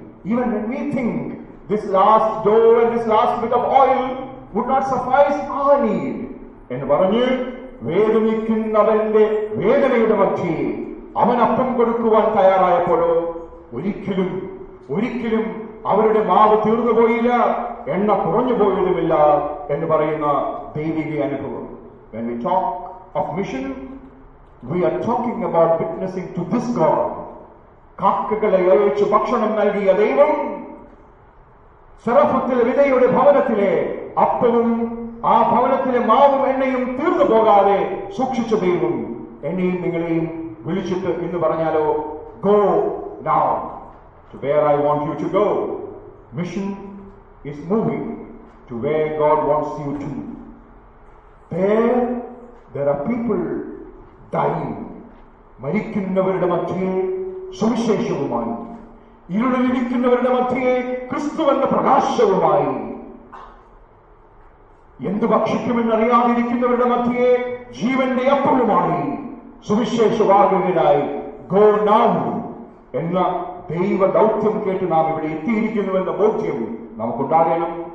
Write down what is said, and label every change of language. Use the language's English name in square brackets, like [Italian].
[English] even when we think this last door and this last bit of oil would not suffice our need [Malayalam] എന്ന് പറഞ്ഞ് വേദനിക്കുന്നവന്റെ വേദനയുടെ മധ്യേ അവൻ അപ്പം കൊടുക്കുവാൻ തയ്യാറായപ്പോഴോ ഒരിക്കലും ഒരിക്കലും അവരുടെ മാവ് തീർന്നുപോയില്ല, എണ്ണ കുറഞ്ഞു പോയതുമില്ല എന്ന് പറയുന്ന ദൈവിക അനുഭവം. [English] When we talk of mission, we are talking about witnessing to this God. [Malayalam] കാക്കകളെ അയച്ച് ഭക്ഷണം നൽകിയ ദൈവം സെറഫത്തിലെ വിധയുടെ ഭവനത്തിലെ അപ്പവും ആ ഭവനത്തിലെ മാവും എണ്ണയും തീർന്നു പോകാതെ സൂക്ഷിച്ച ദൈവം എന്നെയും നിങ്ങളെയും വിളിച്ചിട്ട് എന്ന് പറഞ്ഞാലോ, [English] Go now to where I want you to go. Mission is moving to where God wants you to. There are people dying. [Malayalam] Marikkunnavarude madhye suvisheshavumayi irulilikkunnavarude madhye Kristu enna prakashavumayi endu bakshikkumennu ariyathirikkunnavarude madhye jeevante appavumayi suvisheshavaagavarai go now എന്ന ദൈവ ദൗത്യം കേട്ട് നാം ഇവിടെ എത്തിയിരിക്കുന്നുവെന്ന ബോധ്യം നമുക്കുണ്ടാകണം.